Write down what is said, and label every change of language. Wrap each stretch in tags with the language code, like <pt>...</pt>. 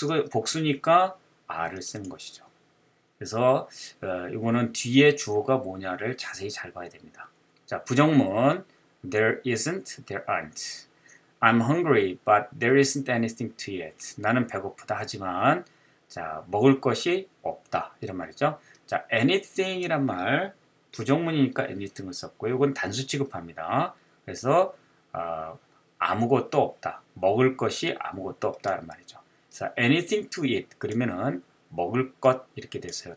<ko>복수니까 are를 쓰는 것이죠. 그래서 이거는 뒤에 주어가 뭐냐를 자세히 잘 봐야 됩니다. 자, 부정문</ko> <en>there isn't, there aren't. I'm hungry, but there isn't anything to eat.</en> <ko>나는 배고프다 하지만 자, 먹을 것이 없다 이런 말이죠. 자, anything이란 말 부정문이니까 anything을 썼고요. 이건 단수 취급합니다. 그래서 아무것도 없다. 먹을 것이 아무것도 없다는 말이죠. 그래서</ko> <en>anything to eat</en> <ko>그러면은 먹을 것 이렇게 됐어요.</ko>